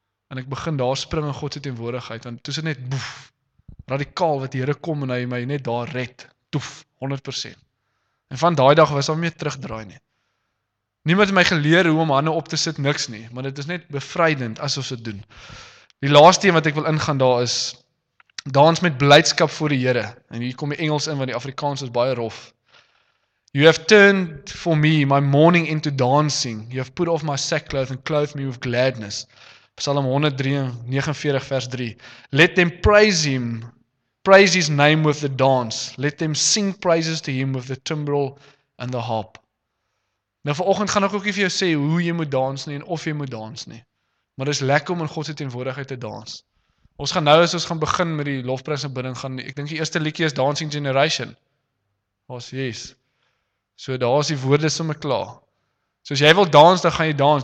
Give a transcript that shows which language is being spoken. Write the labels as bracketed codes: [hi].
[af] En ek begin daar spring in God se teenwoordigheid, want toe is dit net boef, radikaal wat die Here kom en hy my net daar red, toef, 100%. En van daai dag was al meer terugdraai nie. Niemand het my geleer hoe om hande op te sit, niks nie, maar dit is net bevrydend as ons dit doen. Die laaste een wat ek wil ingaan daar is, dans met blydskap voor die Here. En hier kom die Engels in, want die Afrikaans is baie rof. [en] You have turned for me my mourning into dancing. You have put off my sackcloth and clothed me with gladness. [af] Psalm 149 vers 3. [en] Let them praise him. Praise his name with the dance. Let them sing praises to him with the timbrel and the harp. [af] Nou vanoggend gaan ek ook vir jou sê hoe jy moet dans nie en of jy moet dans nie. Maar dit is lekker om in God se teenwoordigheid te dans. Ons gaan nou as ons gaan begin met die lofprys en bidding gaan. Ek dink die eerste liedjie is Dancing Generation. Ons Jesus. So daar is die woorde sommer klaar. So as jy wil dans, dan gaan jy dans.